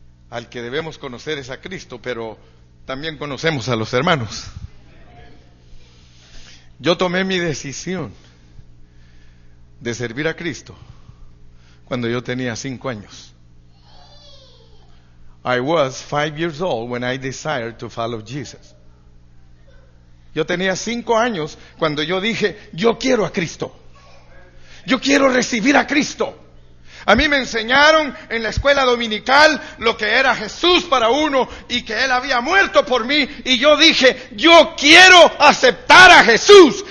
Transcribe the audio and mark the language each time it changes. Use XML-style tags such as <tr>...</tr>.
<es>Al que debemos conocer es a Cristo, pero también conocemos a los hermanos. Yo tomé mi decisión de servir a Cristo cuando yo tenía 5 años.</es> <en>I was 5 years old when I decided to follow Jesus.</en> <es>Yo tenía 5 años cuando yo dije, yo quiero a Cristo. Yo quiero recibir a Cristo. A mí me enseñaron en la escuela dominical lo que era Jesús para uno y que Él había muerto por mí. Y yo dije, yo quiero aceptar a Jesús.</es>